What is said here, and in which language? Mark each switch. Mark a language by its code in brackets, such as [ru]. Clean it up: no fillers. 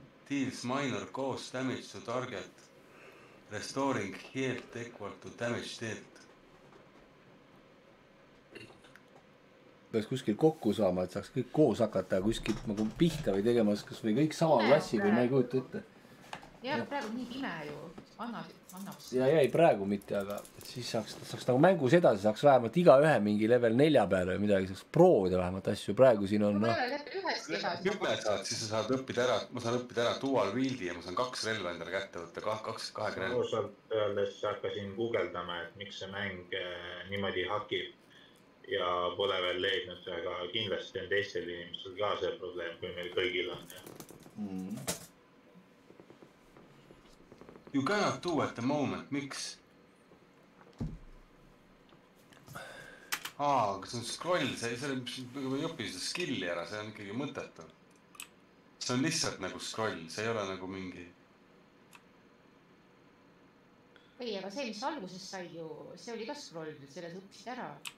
[en] deals minor cause damage to target. Restoring health equal to damage dealt. [et] Peaks kuskil kokku saama, et saaks kõik koos hakata ja kuskilt nagu pihta või tegemas, kas või kõik sama klassi, kui ma ei kujuta ette. Jah, ja. Praegu nii pime ju, annaks. Ja jäi praegu mitte, aga et siis saaks nagu mängus edasi, saaks vähemalt iga ühe mingi level 4 peale või midagi, saaks proovida vähemalt asju, praegu siin on... Ma ei ole ühest edasi. Siis sa saad õppida ära, ma saan õppida ära dual wieldi ja ma saan kaks relva endale kätte võtta, kaks relva. Ma hakkasin googeldama, et miks see mäng niimoodi hakib ja pole veel leidnud, aga kindlasti on teistel inimestel ka see probleem, kui meil kõigil on. [en] You cannot do at the moment, [et] miks? Aa, aga see on scroll, see ei õpi seda skilli ära, see on ikkagi mõtetu. See on lihtsalt nagu scroll, see ei ole nagu mingi... Ei, aga see, mis alguses sai ju, see oli ka scroll, selles õppisid ära.